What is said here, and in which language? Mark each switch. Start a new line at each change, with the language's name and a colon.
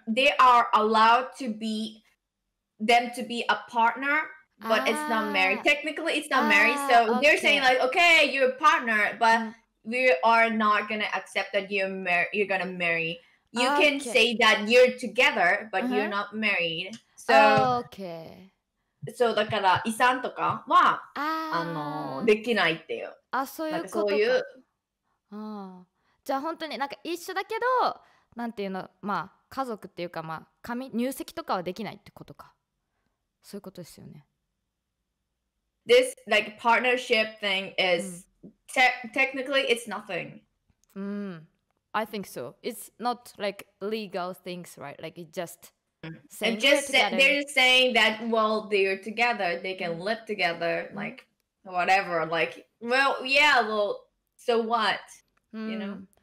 English: They are allowed to be them to be a partner, but it's not married. Technically it's not married. So okay. They're saying like, okay, you're a partner, but we are not gonna accept that you're gonna marry. You can say that you're together, but you're not married. So okay.
Japanese: So だから遺産とかはできないっていう。あ、そういうことか。そういう。じゃあ本当になんか一緒だけどなんていうのまあ家族っていうかまあ紙入籍とかはできないってことかそういうことですよね。
English: This like partnership thing is technically it's nothing. I think so. It's not like legal things, right? Like it just. And just they're just saying that well they're together they can live together like whatever like well yeah well so what you know.